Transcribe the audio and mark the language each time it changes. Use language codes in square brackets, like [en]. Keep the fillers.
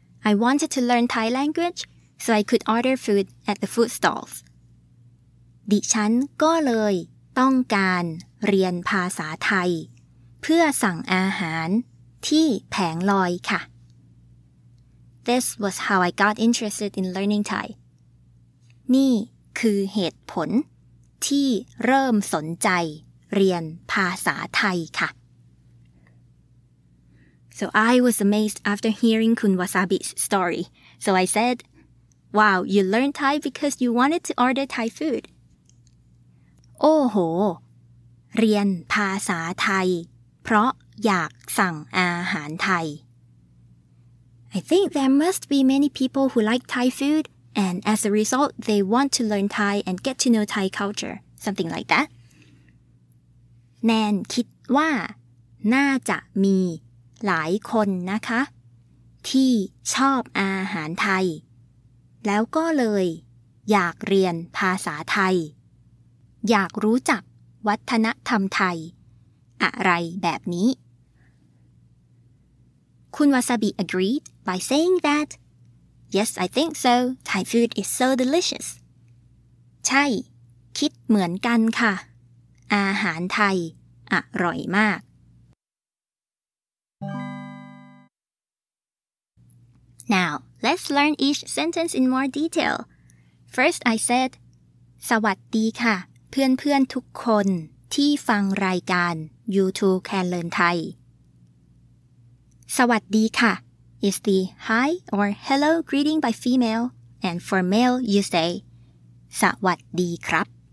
[en] I wanted to learn Thai language so I could order food at the food stalls [th] ดิฉันก็เลยต้องการเรียนภาษาไทย เพื่อสั่งอาหารที่แผงลอยค่ะ [en] This was how I got interested in learning Thai. [th] นี่คือเหตุผล ที่เริ่มสนใจเรียนภาษาไทยค่ะ [en] So I was amazed after hearing Kun Wasabi's story. So I said, "Wow, you learned Thai because you wanted to order Thai food." [th] โอ้โห เรียนภาษาไทย เพราะอยากสั่งอาหารไทย [en] I think there must be many people who like Thai food, and as a result, they want to learn Thai and get to know Thai culture, something like that. [th] แนนคิดว่า น่าจะมีหลายคนนะคะ ที่ชอบอาหารไทย แล้วก็เลย อยากเรียนภาษาไทย อยากรู้จักวัฒนธรรมไทย อะไรแบบนี้ [en] Kun Wasabi agreed by saying that, Yes, I think so. Thai food is so delicious. [th] ใช่ คิดเหมือนกันค่ะ อาหารไทย อร่อยมาก [en] Now, let's learn each sentence in more detail. First, I said [th] สวัสดีค่ะ เพื่อนๆทุกคนที่ฟังรายการ [en] YouTube Can Learn Thai สวัสดีค่ะ is the hi or hello greeting by female and for male you say สวัสดีครับ